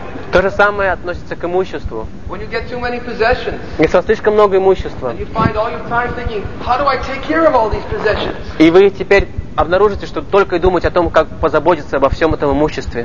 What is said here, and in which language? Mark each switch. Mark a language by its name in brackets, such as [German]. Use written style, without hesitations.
[Russian] То же самое относится к имуществу. [English] When you get too many possessions, [Russian] если у вас слишком много имущества, [English] and you find all your time thinking, how do I take care of all these possessions? [Russian] И вы теперь обнаружите, что только и думать о том, как позаботиться обо всем этом имуществе.